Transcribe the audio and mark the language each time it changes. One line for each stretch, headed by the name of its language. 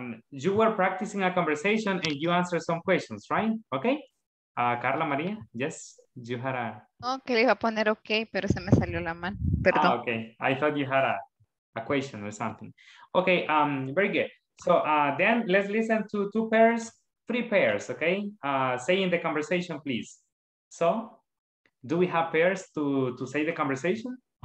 English: You were practicing a conversation and you answered some questions, right? Okay. Carla María, yes, you had a.
Spanish: No, que le iba a poner okay, pero se me salió la mano. Perdón.
English: Ah, okay. I thought you had a question or something. Okay. Very good. So then let's listen to two pairs, three pairs. Okay. Say in the conversation, please. So, do we have pairs to say the conversation?